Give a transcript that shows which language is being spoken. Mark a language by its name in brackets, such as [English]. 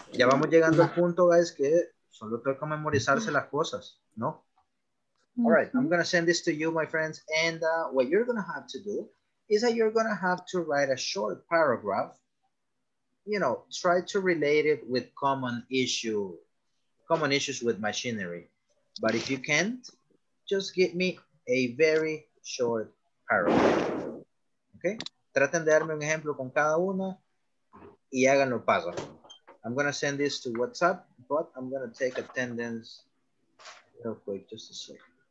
[Spanish] Ya vamos llegando al punto, guys, que solo toca memorizarse las cosas, ¿no? [English] All right, I'm gonna send this to you, my friends, and what you're gonna have to do is that you're gonna have to write a short paragraph. You know, try to relate it with common issues with machinery. But if you can't, just give me a very short paragraph. Okay? [Spanish] Traten de darme un ejemplo con cada una y háganlo paso. [English] I'm gonna send this to WhatsApp, but I'm gonna take attendance real quick, just a second.